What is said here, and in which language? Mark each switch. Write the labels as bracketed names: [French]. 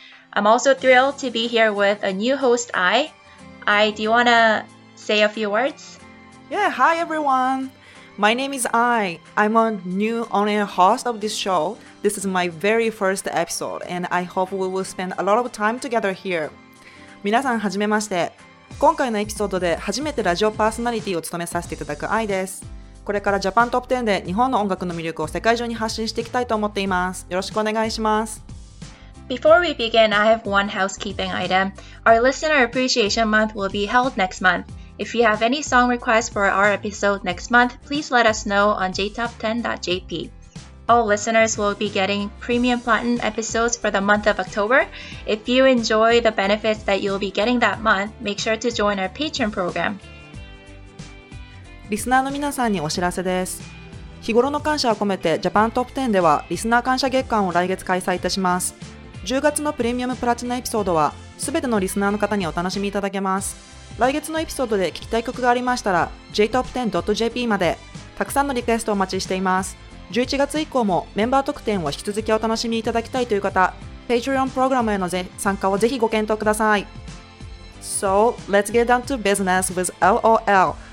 [English] I'm also thrilled to be here with a new host, Ai. Ai, do you want to say a few words? Yeah, hi everyone. My name is Ai. I'm a new on-air host of this show. This is my very first episode, and I hope we will spend a lot of time together here. [Japanese] 皆さん、はじめまして。今回のエピソードで初めてラジオパーソナリティを務めさせていただく Ai です。これからジャパントップ10で日本の音楽の魅力を世界中に発信していきたいと思っています。よろしくお願いします。 [English] Before we begin, I have one housekeeping item. Our Listener Appreciation Month will be held next month. If you have any song requests for our episode next month, please let us know on jtop10.jp. All listeners will be getting premium platinum episodes for the month of October. If you enjoy the benefits that you'll be getting that month, make sure to join our Patreon program. [Japanese] リスナーの皆さんにお知らせです。日頃の感謝を込めて Japan Top 10 ではリスナー感謝月間を来月開催いたします。 10月のプレミアムプラチナエピソードは全てのリスナーの方にお楽しみいただけます。来月のエピソードで聞きたい曲がありましたら jtop10.jp までたくさんのリクエストをお待ちしています。 11月以降もメンバー特典を引き続きお楽しみいただきたいという方、 Patreon プログラムへの参加をぜひご検討ください。 [English] So let's get down to business with LOL.